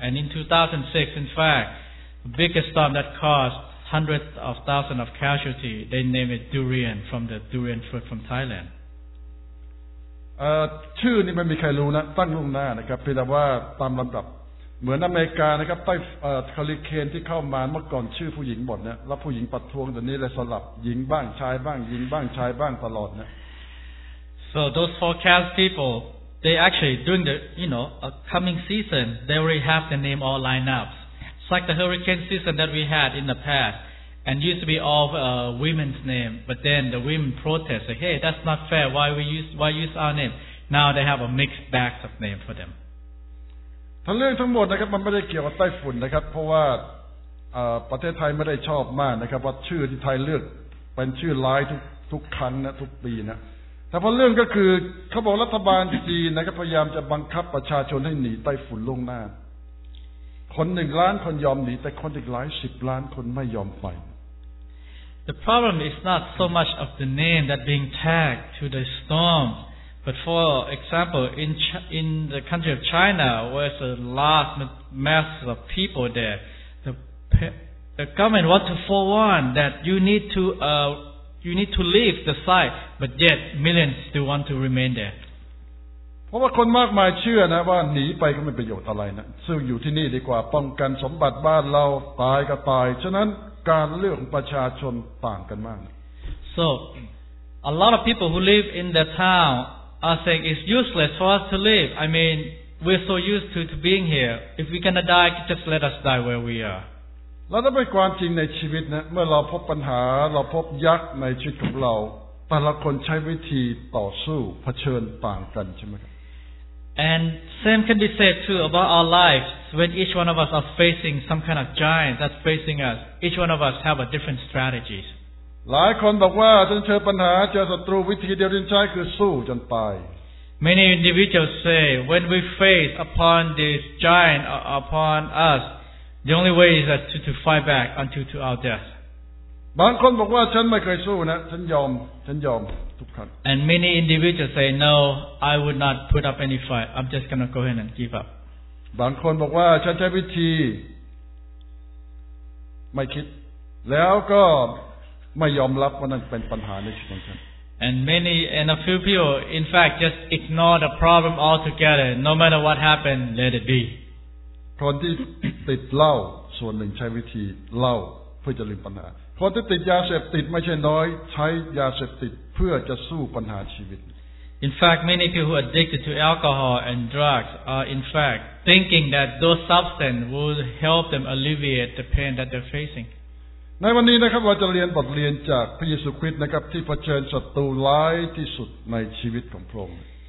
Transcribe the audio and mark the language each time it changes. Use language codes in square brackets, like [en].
[en] And in 2006, in fact, the biggest storm that caused hundreds of thousands of casualties, they named it durian from the durian fruit from Thailand. [th] ชื่อนี่ไม่มีใครรู้นะตั้งล่วงหน้านะครับเพียงแต่ว่าตามลำดับเหมือนอเมริกานะครับไต้คาริเคนที่เข้ามาเมื่อก่อนชื่อผู้หญิงหมดเนี่ยแล้วผู้หญิงปัดทวงแต่นี้เลยสลับหญิงบ้างชายบ้างหญิงบ้างชายบ้างตลอดเนี่ย [en] So those forecast people they actually during the coming season they already have the name all lined up it's like the hurricane season that we had in the past and used to be all women's name but then the women protest like, hey that's not fair why use our name now they have a mixed bag of name for them [th] ทั้งเรื่องทั้งหมดนะครับมันไม่ได้เกี่ยวกับไต้ฝุ่นนะครับเพราะว่าประเทศไทยไม่ได้ชอบมากนะครับว่าชื่อที่ไทยเลือกเป็นชื่อร้ายทุกครั้งนะทุกปีนะแต่พอเรื่องก็คือเขาบอกรัฐบาลจีนนะครับพยายามจะบังคับประชาชนให้หนีไต้ฝุ่นล่วงหน้าคน1ล้านคนยอมหนีแต่คนอีกหลาย10ล้านคนไม่ยอมไป [en] The problem is not so much of the name that being tagged to the stormBut for example, in the country of China, where there's a large mass of people there, the government want to forewarn that you need to leave the site, but yet millions still want to remain there. [th] เพราะว่าคนมากมายเชื่อนะว่าหนีไปก็ไม่ประโยชน์อะไรนะซึ่งอยู่ที่นี่ดีกว่าป้องกันสมบัติบ้านเราตายก็ตายฉะนั้นการเลือกของประชาชนต่างกันมาก [en] So, a lot of people who live in the town. Are saying it's useless for us to live. I mean, we're so used to being here. If we're gonna die, just let us die where we are. [th] เราต้องเป็นความจริงในชีวิตนะเมื่อเราพบปัญหาเราพบยักษ์ในชีวิตของเราแต่ละคนใช้วิธีต่อสู้เผชิญต่างกันใช่ไหมครับ [en] And same can be said too about our lives when each one of us are facing some kind of giant that's facing us. Each one of us have a different strategies. [th] หลายคนบอกว่าจะเจอปัญหาเจอศัตรูวิธีเดียวที่ใช้คือสู้จนตาย [en] Many individuals say when we face upon this giant upon us the only way is to fight back until to our death [th] บางคนบอกว่าฉันไม่เคยสู้นะฉันยอมทุกครั้ง [en] And many individuals say no I would not put up any fight I'm just gonna go ahead and give up [th] บางคนบอกว่าฉันใช้วิธีไม่คิดแล้วก็ไม่ยอมรับว่านั่นเป็นปัญหาในชีวิตของฉัน [en] And many and a few people in fact just ignore the problem altogether no matter what happened let it be [th] คนที่ติดเหล้าส่วนหนึ่งใช้วิธีเหล้าเพื่อจะลืมปัญหาคนที่ติดยาเสพติดไม่ใช่น้อยใช้ยาเสพติดเพื่อจะสู้ปัญหาชีวิต [en] In fact many people who are addicted to alcohol and drugs are in fact thinking that those substances will help them alleviate the pain that they're facing [th] ในวันนี้นะครับเราจะเรียนบทเรียนจากพระเยซูคริสต์นะครับที่เผชิญศัตรูร้ายที่สุดในชีวิตของพระองค์